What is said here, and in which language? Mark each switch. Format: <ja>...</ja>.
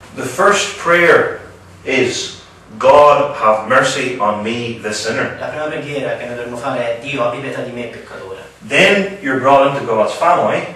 <en>The first prayer is, God have mercy on me, the sinner.</en> <it>La prima preghiera che noi dovremmo fare è, Dio abbi pietà di me, peccatore.</it> <en>Then you're brought into God's family.</en>